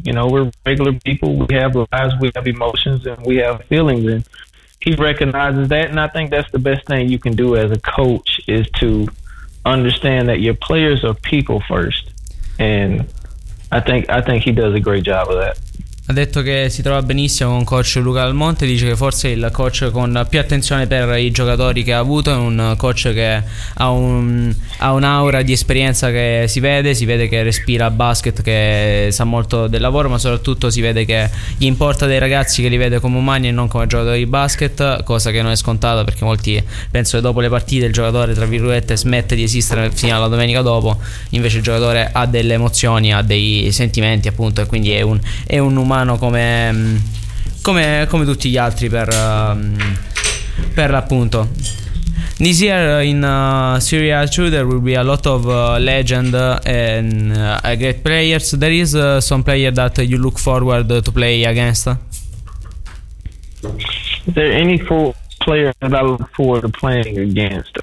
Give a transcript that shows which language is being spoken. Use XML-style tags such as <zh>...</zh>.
<en>You know, we're regular people. We have lives, we have emotions, and we have feelings, and he recognizes that, and I think that's the best thing you can do as a coach is to understand that your players are people first, and I think he does a great job of that.</en> <it>Ha detto che si trova benissimo con coach Luca Dal Monte, dice che forse è il coach con più attenzione per i giocatori che ha avuto, è un coach che ha un'aura di esperienza che si vede che respira basket, che sa molto del lavoro, ma soprattutto si vede che gli importa dei ragazzi, che li vede come umani e non come giocatori di basket, cosa che non è scontata perché molti penso che dopo le partite il giocatore tra virgolette smette di esistere fino alla domenica dopo, invece il giocatore ha delle emozioni, ha dei sentimenti appunto, e quindi è un umano come tutti gli altri per l'appunto.</it> <en>This year in Serie A2 there will be a lot of legend and great players. There is some player that you look forward to play against? Is there any player that I look forward to playing against?</en>